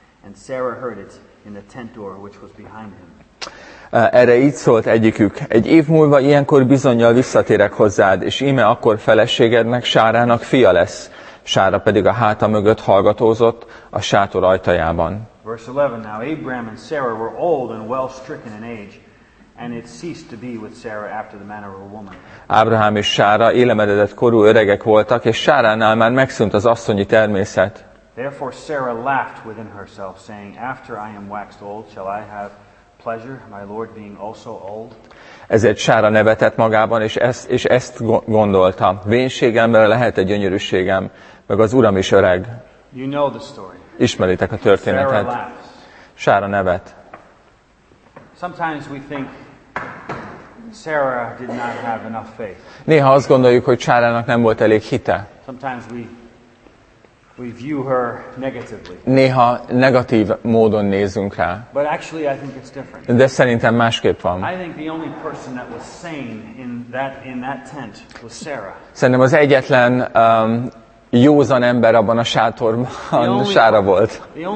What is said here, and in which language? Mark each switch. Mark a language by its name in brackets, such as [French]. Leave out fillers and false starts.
[English] And Sarah heard it in the tent door, which was behind him. [Hungarian] Erre így szólt egyikük. Egy év múlva ilyenkor bizonnyal visszatérek hozzád, és íme akkor feleségednek, Sárának fia lesz. Sára pedig a háta mögött hallgatózott a sátor ajtajában. [English] Verse 11. Now Abraham and Sarah were old and well stricken in age, and it ceased to be with Sarah after the manner of a woman. [Hungarian] Ábrahám és Sára élemededett korú öregek voltak, és Sáránál már megszűnt az asszonyi természet. [English] Therefore Sarah laughed within herself, saying, after I am waxed old, shall I have pleasure, my lord being also old? [Hungarian] Ezért Sára nevetett magában, és ezt gondolta. Vénségemre lehet egy gyönyörűségem, meg az uram is öreg. [English] You know the story. [Hungarian] Ismeritek a történetet. Sára nevet. [English] Sometimes we think Sarah did not have enough faith. [Hungarian] Néha azt gondoljuk, hogy Sárának nem volt elég hite. [English] Sometimes we view her negatively. [Hungarian] Néha negatív módon nézünk rá. [English] But actually I think it's different. [Hungarian] De szerintem másképp van. [English] I think the only person that was sane in that tent was Sarah. [Hungarian] Szerintem az egyetlen józan ember abban a sátorban Sára volt.